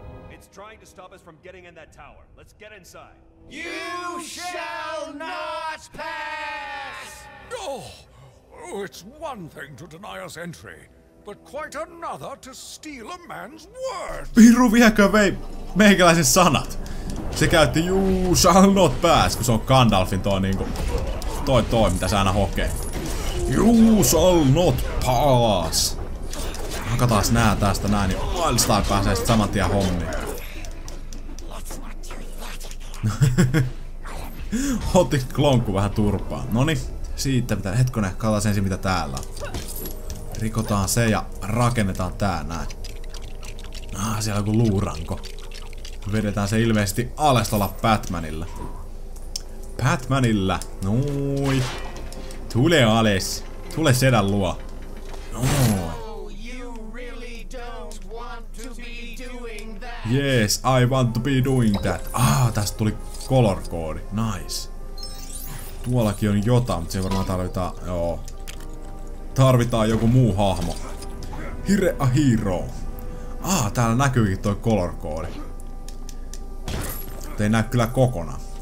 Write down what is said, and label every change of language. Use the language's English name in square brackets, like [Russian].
[English] It's trying to stop us from getting in that tower. Let's get inside. You shall not pass! Oh, it's one thing to deny us entry. but quite another to steal a man's word. [Finnish] Viru viekö vei meikäläisen sanat? Se käytti [English] you shall not pass, [Finnish] kun se on Gandalfin toi niinku toi mitä se aina hokee. [English] You shall not pass. [Finnish] Hakataas nää tästä näin, niin Wildstar pääsee sit saman tien hommiin. Otti klonkku vähän turpaan. Noni, siitä pitää hetkonen, katsotaan ensin mitä täällä on. Rikotaan se ja rakennetaan tää näin. Ah, siellä on joku luuranko. Vedetään se ilmeisesti alestolla Batmanilla. Batmanilla, nui. Tule ales, tule sedän luo. [English] Yes, I want to be doing that. [Finnish] Ah, tästä tuli color koodi. Nice. Tuollakin on jotain, mutta se varmaan tarvitaan. Joo. Tarvitaan joku muu hahmo. [English] Hire a hero. [Finnish] Ah, täällä näkyykin toi color koodi. Mut ei näy kyllä kokonaan.